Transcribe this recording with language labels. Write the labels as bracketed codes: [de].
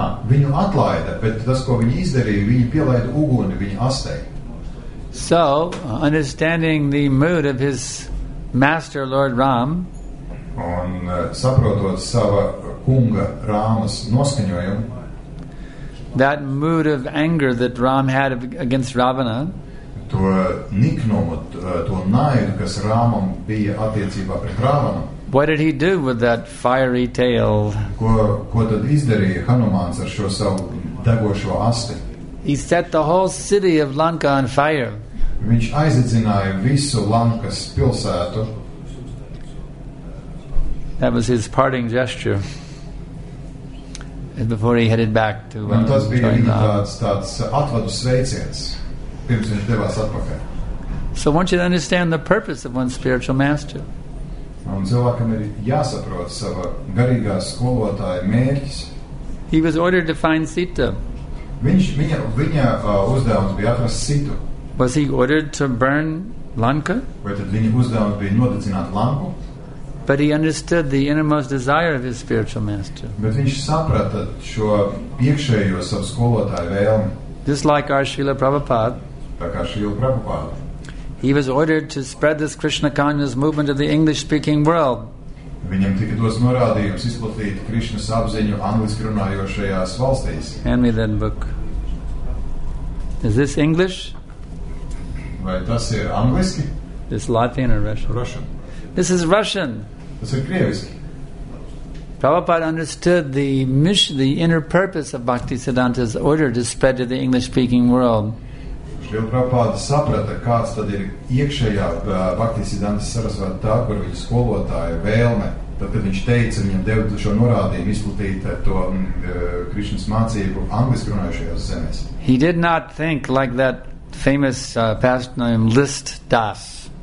[lv] Viņu atlaida, bet tas, ko viņi izdarīja, viņi pielaida uguni viņu astē. [en] So, understanding the mood of his Master Lord Ram, [lv] un saprotot sava kunga Rāmas noskaņojumu, [en] that mood of anger that Ram had against Ravana, [lv] to niknumu, to naidu, kas Rāmam bija attiecībā pret Ravanu, [en] what did he do with that fiery tail? [lv] Ko tad izdarīja Hanumāns ar šo savu degošo asti? [en] He set the whole city of Lanka on fire. [lv] Viņš aizdzināja visu Lankas pilsētu. [en] That was his parting gesture. before he headed back to So I want you to understand the purpose of one's spiritual master. He was ordered to find Sita. Was he ordered to burn Lanka? But he understood the innermost desire of his spiritual master. Just like our Srila Prabhupada. He was ordered to spread this Krishna consciousness movement of the English speaking world. [lv] Viņam tika dos norādījums izplatīt Krišnas apziņu angliski runājošajās valstīs. [en] Hand me that book. Is this English? [lv] Vai tas ir angliski? [en] This Latvian or Russian? Russian. This is Russian. [lv] Tas ir krieviski. [en] Prabhupada understood the mission, the inner purpose of Bhaktisiddhanta's order to spread to the English-speaking world. [lv] Šrila Prabhupāda saprata, kāds tad ir iekšējā Bhaktisiddhanta Sarasvatā, kur viņa skolotāja vēlme. Tad, kad viņš teica, viņam deva šo norādījumu izplatīt to Krišnas mācību angliski runājušajās zemēs. [en] He did not think like that famous pastime List Das.